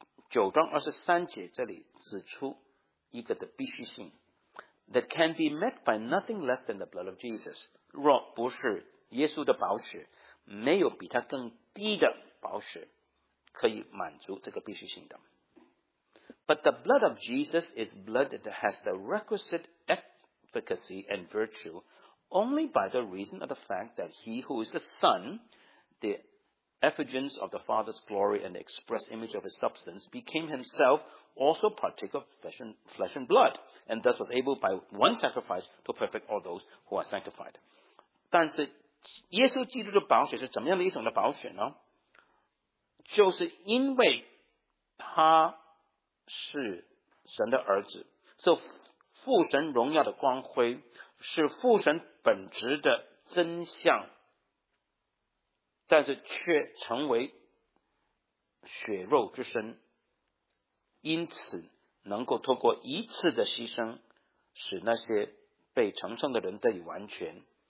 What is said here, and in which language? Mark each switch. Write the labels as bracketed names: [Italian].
[English] 九章二十三节这里指出一个的必须性，that can be met by nothing less than the blood of Jesus。 [Chinese] 若不是耶稣的宝血，没有比他更低的宝血可以满足这个必须性的。 [English] But the blood of Jesus is blood that has the requisite efficacy and virtue only by the reason of the fact that he who is the Son, the effigence of the Father's glory and the express image of his substance, became himself also partaker of flesh and blood, and thus was able by one sacrifice to perfect all those who are sanctified. [Chinese] 但是耶稣基督的宝血是怎么样的一种的宝血呢？就是因为他是神的儿子，是父神荣耀的光辉，是父神本质的真相，但是却成为血肉之身，因此能够透过一次的牺牲，使那些被成圣的人得以完全。